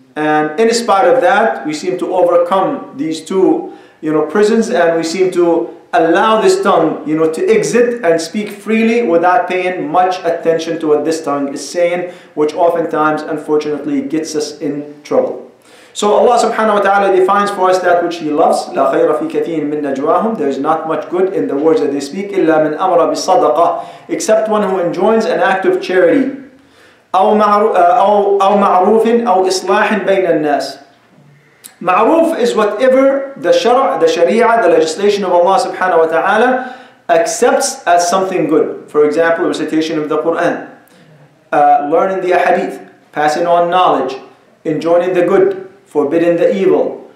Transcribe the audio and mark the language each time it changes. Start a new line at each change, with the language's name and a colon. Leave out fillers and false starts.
English: And in spite of that, we seem to overcome these two, prisons, and we seem to allow this tongue, to exit and speak freely without paying much attention to what this tongue is saying, which oftentimes, unfortunately, gets us in trouble. So Allah subhanahu wa ta'ala defines for us that which He loves.
Arabic: لا خير في كثير من نجواهم.
English: There is not much good in the words that they speak.
Arabic: إلا من أمر بصدقة.
English: Except one who enjoins an act of charity.
Arabic: أو معروف أو إصلاح بين الناس.
English: معروف is whatever the sharia, the legislation of Allah subhanahu wa ta'ala accepts as something good. For example, recitation of the Quran. Learning the ahadith. Passing on knowledge. Enjoining the good. Forbidding the evil.